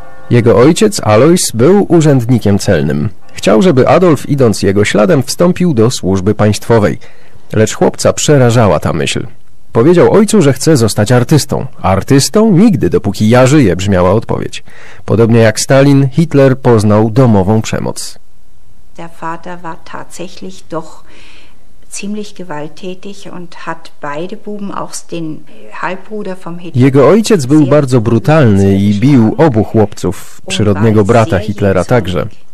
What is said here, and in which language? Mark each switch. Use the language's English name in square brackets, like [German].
[Polish] Jego ojciec, Alois, był urzędnikiem celnym. Chciał, żeby Adolf, idąc jego śladem, wstąpił do służby państwowej. Lecz chłopca przerażała ta myśl. Powiedział ojcu, że chce zostać artystą. Artystą? Nigdy, dopóki ja żyję, brzmiała odpowiedź. Podobnie jak Stalin, Hitler poznał domową przemoc. [German] Der Vater war tatsächlich doch ziemlich gewalttätig und hat beide Buben, auch den Halbbruder vom Hitler. [Polish] Jego ojciec był bardzo brutalny i bił obu chłopców, przyrodniego brata Hitlera także.